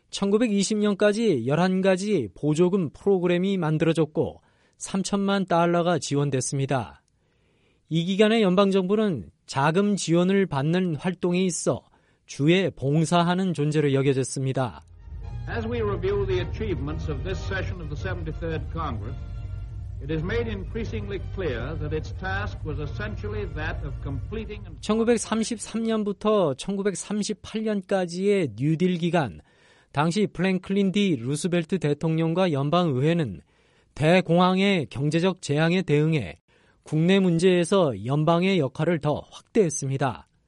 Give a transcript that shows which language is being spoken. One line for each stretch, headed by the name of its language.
Korean: 1920년까지 11가지 보조금 프로그램이 만들어졌고 3천만 달러가 지원됐습니다. 이 기간에 연방정부는 자금 지원을 받는 활동에 있어 주에 봉사하는 존재로 여겨졌습니다.
English: As we review the achievements of this session of the 73rd Congress, it is made increasingly clear that its task was essentially that of completing.
Korean: 1933년부터 1938년까지의 뉴딜 기간, 당시 프랭클린 D. 루스벨트 대통령과 연방 의회는 대공황의 경제적 재앙에 대응해 국내 문제에서 연방의 역할을 더 확대했습니다.